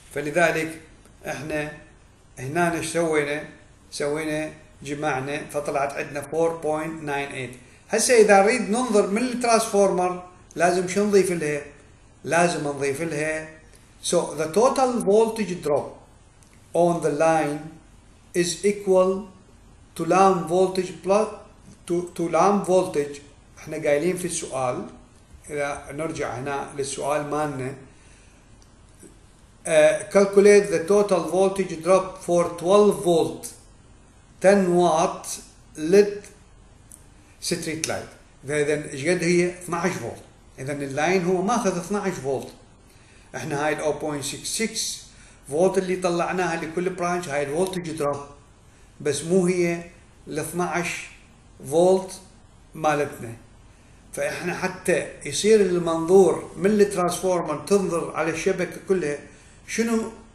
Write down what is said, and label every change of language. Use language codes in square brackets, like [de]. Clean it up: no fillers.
[ar] فلذلك احنا هنا ايش سوينا؟ سوينا جمعنا فطلعت عندنا 4.98. هسه اذا نريد ننظر من الترانسفورمر لازم شو نضيف لها؟ لازم نضيف لها [en] so the total voltage drop on the line is equal to lamp voltage [ar] plus to lamp voltage. احنا قايلين في السؤال، إذا نرجع هنا للسؤال مالنا، [en] calculate the total voltage drop for 12 volt 10 watt lit street light. [ar] فإذا إيش قد هي؟ 12 فولت. إذا اللاين هو ماخذ 12 فولت. إحنا هاي الـ 0.66 فولت اللي طلعناها لكل برانش هاي الفولتج دروب، بس مو هي الـ 12 فولت مالتنا. فاحنا حتى يصير المنظور من الترانسفورمر تنظر على الشبكه كلها شنو